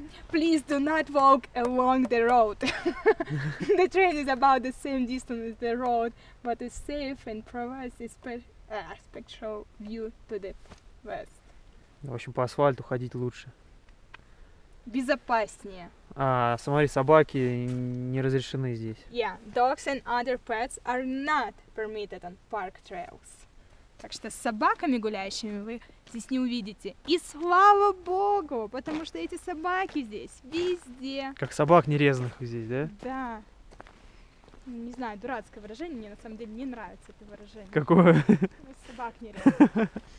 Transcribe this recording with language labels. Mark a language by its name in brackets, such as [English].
[English] Please do not walk along the road. The train is about the same distance as the road, but it's safe and provides a special... spectral view to the west. [Russian] В общем, по асфальту ходить лучше. Безопаснее. А, смотри, собаки не разрешены здесь. Yeah, dogs and other pets are not permitted on park trails. Так что с собаками гуляющими вы здесь не увидите. И слава богу, потому что эти собаки здесь везде. Как собак нерезанных здесь, да? Да. Не знаю, дурацкое выражение, мне на самом деле не нравится это выражение. Какое? Собак не резать.